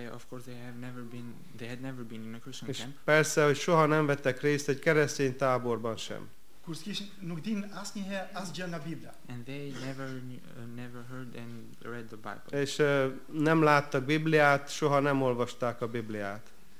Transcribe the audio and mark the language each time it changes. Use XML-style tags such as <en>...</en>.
<en>They had never been in a Christian camp.</en> <hu>Persze, hogy soha nem vettek részt egy keresztény táborban sem.</hu> <en>And they never heard and read the Bible.</en> <hu>És nem láttak Bibliát, soha nem olvasták a Bibliát.</hu>